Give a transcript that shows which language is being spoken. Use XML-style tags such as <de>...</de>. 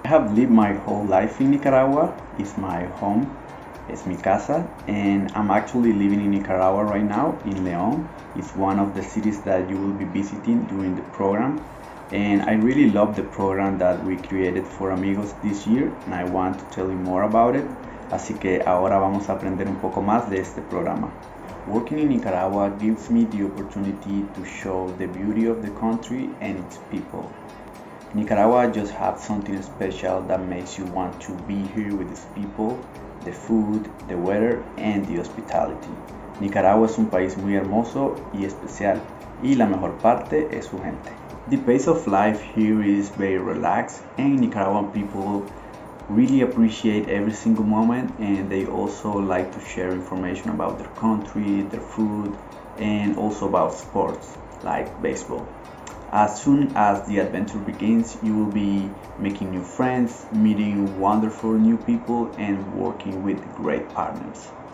<en>I have lived my whole life in Nicaragua. It's my home. It's</en> <es>mi casa,</es> <en>and I'm actually living in Nicaragua right now, in León. It's one of the cities that you will be visiting during the program. And I really love the program that we created for Amigos this year, and I want to tell you more about it.</en> <es>Así que ahora vamos a aprender un poco más de este programa.</es> <en>Working in Nicaragua gives me the opportunity to show the beauty of the country and its people. Nicaragua just has something special that makes you want to be here with its people. The food, the weather, and the hospitality.</en> <es>Nicaragua es un país muy hermoso y especial, y la mejor parte es su gente.</es> <en>The pace of life here is very relaxed, and Nicaraguan people really appreciate every single moment, and they also like to share information about their country, their food, and also about sports, like baseball. As soon as the adventure begins, you will be making new friends, meeting wonderful new people, and working with great partners.</en>